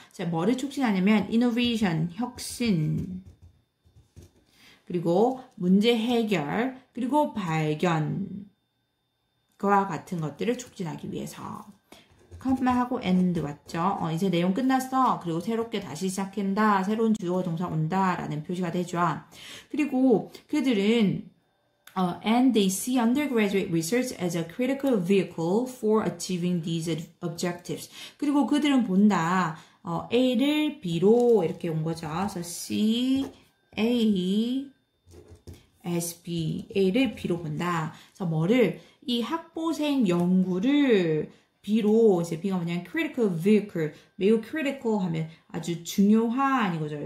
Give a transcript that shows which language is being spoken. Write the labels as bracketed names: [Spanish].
[Korean] 이제 뭐를 촉진하냐면 innovation, 혁신, 그리고 문제 해결, 그리고 발견과 같은 것들을 촉진하기 위해서. 컴마하고 end 왔죠. 이제 내용 끝났어. 그리고 새롭게 다시 시작한다. 새로운 주어 동사 온다라는 표시가 되죠. 그리고 그들은 [English] and they see undergraduate research as a critical vehicle for achieving these objectives. [Korean] 그리고 그들은 본다. A를 B로 이렇게 온 거죠. [English] So see A as B. [Korean] A를 B로 본다. 그래서 뭐를? 이 학부생 연구를 B로, 이제 B가 뭐냐면 [English] critical vehicle, [Korean] 매우 critical 하면 아주 중요한 이거죠.